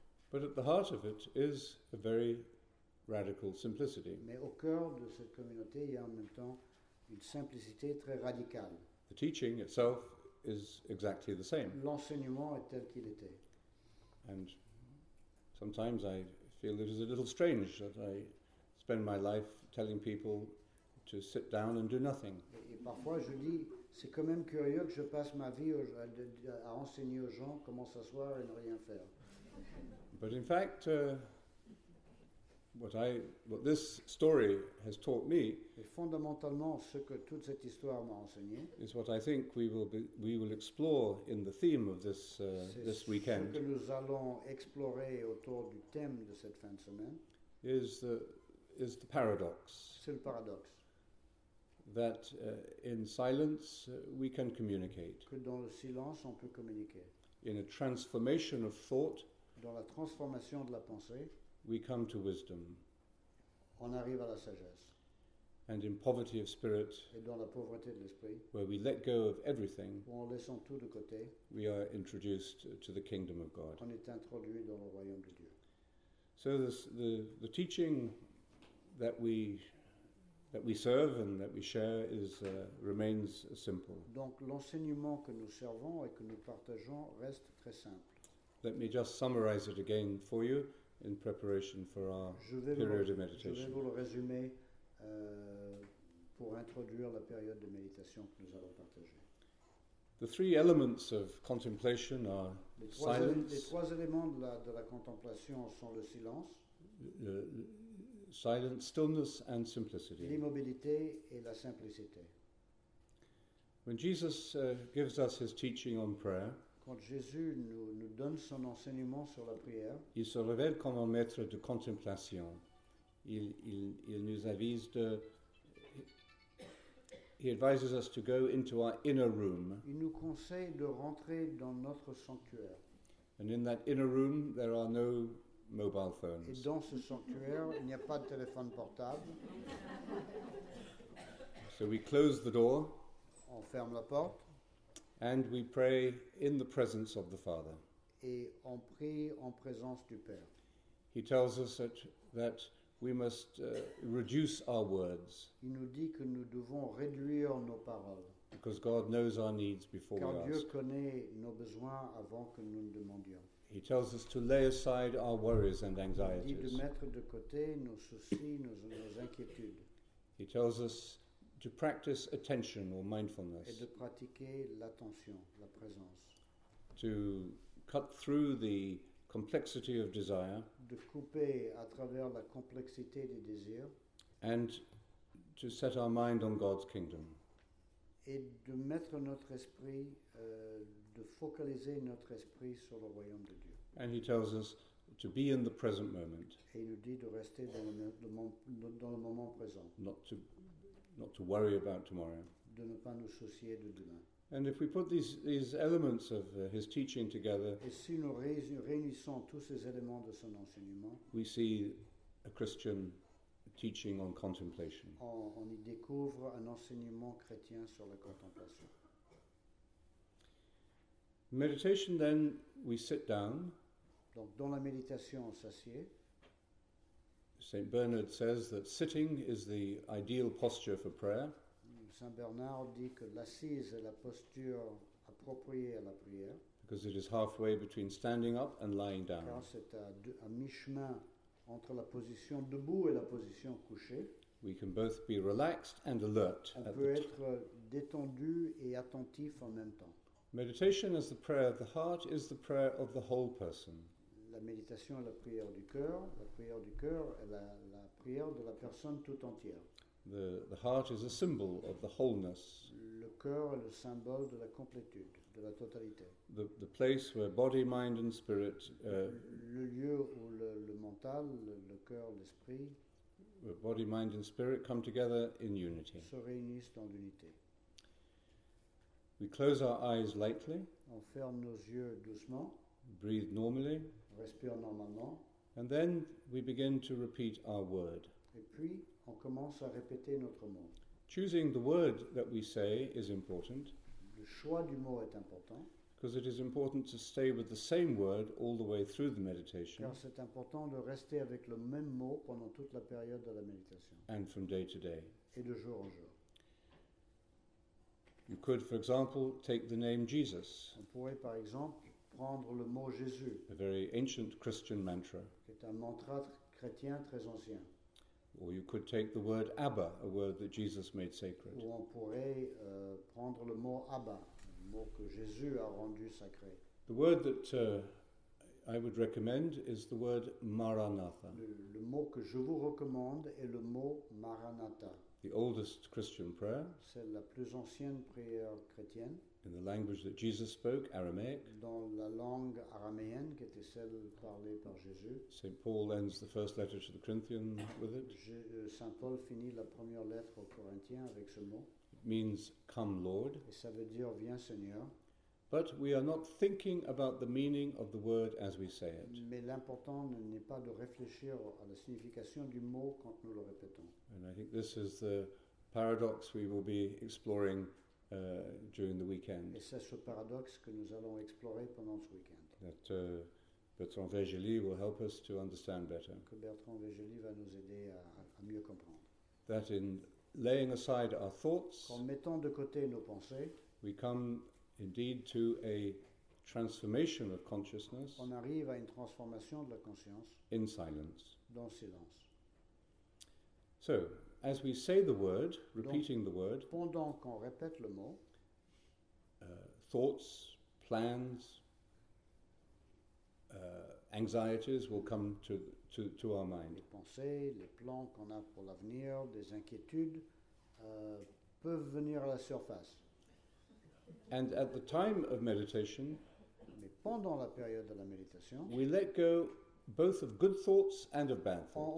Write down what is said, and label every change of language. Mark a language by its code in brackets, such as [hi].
[en] But at the heart of it is a very radical simplicity. [fr] Mais au cœur de cette communauté, il y a en même temps une simplicité très radicale. [en] The teaching itself is exactly the same. [fr] L'enseignement est tel qu'il était. [en] And sometimes I feel it is a little strange that I spend my life telling people to sit down and do nothing. [fr] Et parfois je dis, c'est quand même curieux que je passe ma vie à enseigner aux gens comment s'asseoir et ne rien faire. [en] But in fact, what this story has taught me, [fr] et fondamentalement ce que toute cette histoire m'a enseigné, [en] is what I think we will explore in the theme of this weekend. [fr] Ce que nous allons explorer autour du thème de cette fin de semaine, [en] is the paradox. [fr] C'est le paradoxe. [en] That in silence we can communicate. [fr] Que dans le silence on peut communiquer. [en] In a transformation of thought, [fr] dans la transformation de la pensée, [en] we come to wisdom. [fr] On arrive à la sagesse. [en] And in poverty of spirit, [fr] et dans la pauvreté de l'esprit, [en] where we let go of everything, [fr] où en laissant tout de côté, [en] we are introduced to the kingdom of God. [fr] On est introduit dans le royaume de Dieu. [en] So the teaching that we serve and that we share remains simple. [fr] Donc l'enseignement que nous servons et que nous partageons reste très simple. [en] Let me just summarize it again for you. In preparation for our period of meditation. [fr] Je vais vous le résumer pour introduire la période de méditation que nous allons partager. [en] The three elements of contemplation are silence. [fr] Les trois éléments de la contemplation sont le silence, [en] silence, stillness, and simplicity. [fr] L'immobilité et la simplicité. [en] When Jesus gives us his teaching on prayer, [fr] quand Jésus nous donne son enseignement sur la prière, il se révèle comme un maître de contemplation. Il nous avise de. [en] He advises us to go into our inner room. [fr] Il nous conseille de rentrer dans notre sanctuaire. [en] And in that inner room, there are no mobile phones. [fr] Et dans ce sanctuaire, il n'y a pas de téléphone portable. [en] So we close the door. [fr] On ferme la porte. [en] And we pray in the presence of the Father. [fr] Et on prie en présence du Père. [en] He tells us that we must reduce our words. [fr] Il nous dit que nous devons réduire nos paroles. [en] Because God knows our needs before [fr] Car [en] we [fr] Dieu [en] ask. [fr] Connaît nos besoins avant que nous ne demandions. [en] He tells us to lay aside our worries and anxieties. [fr] Il dit de mettre de côté nos soucis, nos inquiétudes. [en] He tells us to practice attention or mindfulness. [fr] Et de pratiquer l'attention, la présence. [en] To cut through the complexity of desire, [fr] de couper à travers la complexité des désirs, [en] and to set our mind on God's kingdom, [fr] et de mettre notre esprit, de focaliser notre esprit sur le royaume de Dieu. [en] And he tells us to be in the present moment, [fr] et il nous dit de rester dans le moment présent, [en] not to worry about tomorrow, [fr] de ne pas nous soucier de demain. [en] And if we put these elements of his teaching together, [fr] et si nous réunissons tous ces éléments de son enseignement, [en] we see a Christian teaching on contemplation. [fr] On y découvre un enseignement chrétien sur la contemplation. [en] Meditation, then, we sit down. [fr] Donc, dans la méditation, on s'assied. [en] Saint Bernard says that sitting is the ideal posture for prayer. [fr] Saint Bernard dit que l'assise est la posture appropriée à la prière. [en] Because it is halfway between standing up and lying down. [fr] Car c'est à mi-chemin entre la position debout et la position couchée. [en] We can both be relaxed and alert. [fr] On peut être détendu et attentif en même temps. [en] Meditation is the prayer of the heart, is the prayer of the whole person. [fr] La méditation est la prière du cœur. La prière du cœur est la prière de la personne tout entière. [en] The heart is a symbol of the wholeness. [fr] Le cœur est le symbole de la complétude, de la totalité. [en] The place where body, mind and spirit [fr] le lieu où le mental, le cœur, l'esprit, [en] where body, mind and spirit come together in unity. [fr] Se réunissent dans l'unité. [en] We close our eyes lightly. [fr] On ferme nos yeux doucement. [en] Breathe normally. [fr] Respire normalement. [en] And then we begin to repeat our word. [fr] Et puis on commence à répéter notre mot. [en] Choosing the word that we say is important. [fr] Le choix du mot est important. [en] Because it is important to stay with the same word all the way through the meditation. [fr] Car c'est important de rester avec le même mot pendant toute la période de la méditation. [en] And from day to day. [fr] Et de jour en jour. [en] You could, for example, take the name Jesus. [fr] On pourrait, par exemple, prendre le mot Jésus. [en] A very ancient Christian mantra. [fr] Qui est un mantra chrétien très ancien. [en] Or you could take the word Abba, a word that Jesus made sacred. [fr] Ou on pourrait prendre le mot Abba, le mot que Jésus a rendu sacré. [en] The word that I would recommend is the word Maranatha. [fr] Le mot que je vous recommande est le mot Maranatha. [en] The oldest Christian prayer. [fr] C'est la plus ancienne prière chrétienne. [en] In the language that Jesus spoke, Aramaic. [fr] Dans la langue araméenne qui était celle parlée par Jésus. [en] Saint Paul ends the first letter to the Corinthians with it. [fr] Saint Paul finit la première lettre aux Corinthiens avec ce mot. [en] It means come Lord. [fr] Et ça veut dire viens Seigneur. [en] But we are not thinking about the meaning of the word as we say it. [fr] Mais l'important n'est pas de réfléchir à la signification du mot quand nous le répétons. [en] And I think this is the paradox we will be exploring during the weekend. [fr] Et c'est ce paradoxe que nous allons explorer pendant ce weekend. [en] That Bertrand Végély will help us to understand better. [fr] Que Bertrand Végély va nous aider à mieux comprendre. [en] That in laying aside our thoughts, [fr] en mettant de côté nos pensées, [en] we come indeed to a transformation of consciousness. [fr] On arrive à une transformation de la conscience. [en] In silence. [fr] Dans le silence. [en] So, as we say the word, repeating [fr] donc, [en] the word, [fr] pendant qu'on répète le mot, [en] thoughts, plans, anxieties will come to our mind. [fr] Les pensées, les plans qu'on a pour l'avenir, des inquiétudes peuvent venir à la surface. [en] And at the time of meditation, [fr] mais pendant la période de la méditation, [en] we let go both of good thoughts and of bad thoughts.